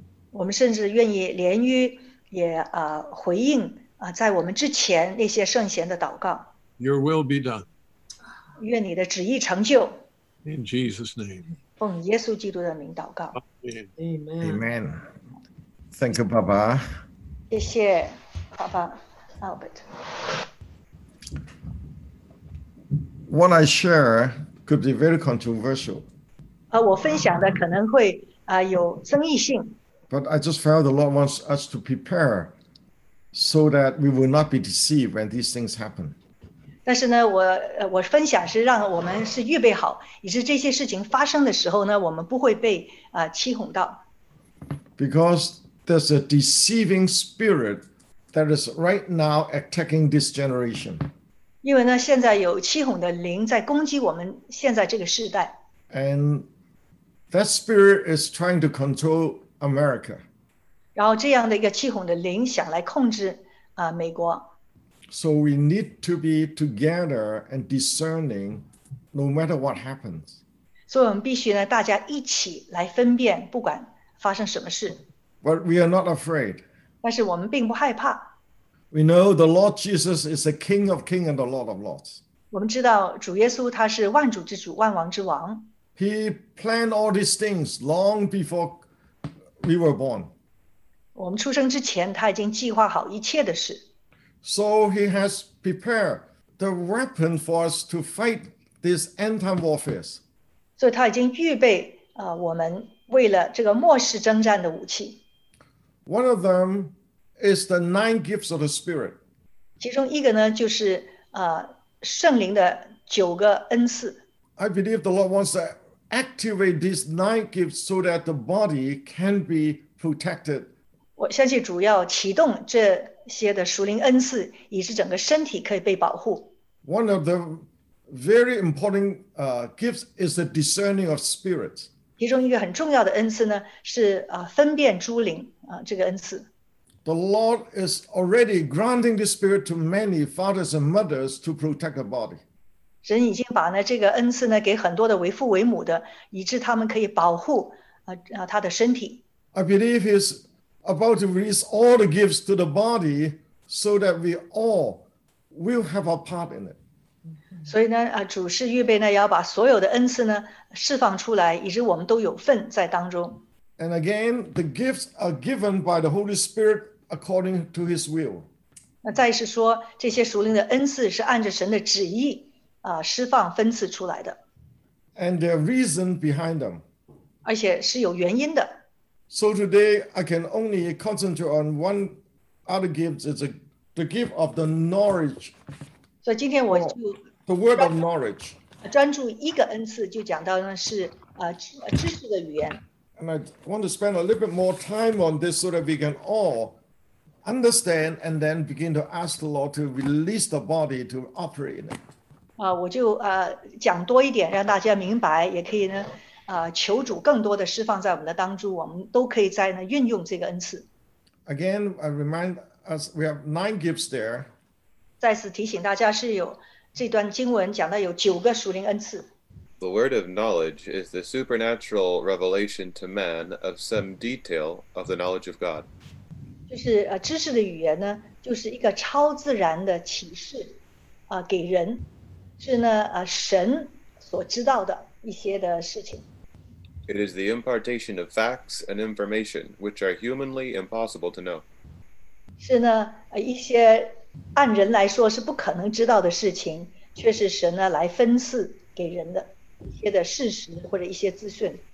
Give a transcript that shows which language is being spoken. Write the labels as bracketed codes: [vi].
[zh] 我们甚至愿意连于也回应在我们之前那些圣贤的祷告。 [en] Your will be done. [zh] 愿你的旨意成就。 [en] In Jesus' name. [zh] 奉耶稣基督的名祷告。 [en] Amen. Thank you, Papa. [zh] 谢谢，爸爸，Albert。 [en] What I share could be very controversial. [zh] 我分享的可能会有争议性。 [en] But I just felt the Lord wants us to prepare so that we will not be deceived when these things happen. [zh] 但是呢，我分享是让我们是预备好，以致这些事情发生的时候呢，我们不会被欺哄到。 [en] Because there's a deceiving spirit that is right now attacking this generation. [zh] 因为呢，现在有欺哄的灵在攻击我们现在这个世代。 [en] And that spirit is trying to control America. [zh] 然后这样的一个欺哄的灵想来控制美国。 [en] So we need to be together and discerning no matter what happens. [zh] 所以我们必须呢，大家一起来分辨，不管发生什么事。 [en] But we are not afraid. [zh] 但是我们并不害怕。 [en] We know the Lord Jesus is the King of Kings and the Lord of Lords. [zh] 我们知道主耶稣他是万主之主，万王之王。 [en] He planned all these things long before we were born. [zh] 我们出生之前，他已经计划好一切的事。 [en] So he has prepared the weapon for us to fight this end time warfare. [zh] 所以他已经预备我们为了这个末世征战的武器。 [en] One of them is the nine gifts of the Spirit. [zh] 其中一个呢，就是圣灵的九个恩赐。 [en] I believe the Lord wants to activate these nine gifts so that the body can be protected. [zh] 我相信主要启动这些的属灵恩赐，以致整个身体可以被保护。 [en] One of the very important gifts is the discerning of spirits. [zh] 其中一个很重要的恩赐呢，是分辨诸灵这个恩赐。 [en] The Lord is already granting the Spirit to many fathers and mothers to protect the body. [zh] 神已经把呢这个恩赐呢给很多的为父为母的，以致他们可以保护他的身体。 [en] I believe He is about to release all the gifts to the body so that we all will have a part in it. [zh] 所以呢，主是预备呢要把所有的恩赐呢释放出来，以致我们都有份在当中。 [en] And again, the gifts are given by the Holy Spirit according to His will. [zh] 那再是说，这些属灵的恩赐是按着神的旨意释放分赐出来的。 [en] And there are reasons behind them. [zh] 而且是有原因的。 [en] So today, I can only concentrate on one other gift. It's the gift of the knowledge. [zh] 所以今天我就 [en] the word of knowledge. [zh] 专注一个恩赐，就讲到呢是知识的语言。 [en] And I want to spend a little bit more time on this so that we can all understand and then begin to ask the Lord to release the body to operate in it. [zh] 我就讲多一点，让大家明白，也可以呢求主更多的释放在我们的当中，我们都可以在呢运用这个恩赐。 [en] Again, I remind us we have nine gifts there. [zh] 再次提醒大家是有这段经文讲到有九个属灵恩赐。 [en] The word of knowledge is the supernatural revelation to man of some detail of the knowledge of God. [zh] 就是知识的语言呢，就是一个超自然的启示，给人，是呢神所知道的一些的事情。 [en] It is the impartation of facts and information which are humanly impossible to know. [zh] 是呢一些按人来说是不可能知道的事情，却是神呢来分赐给人的。一些的事实或者一些资讯。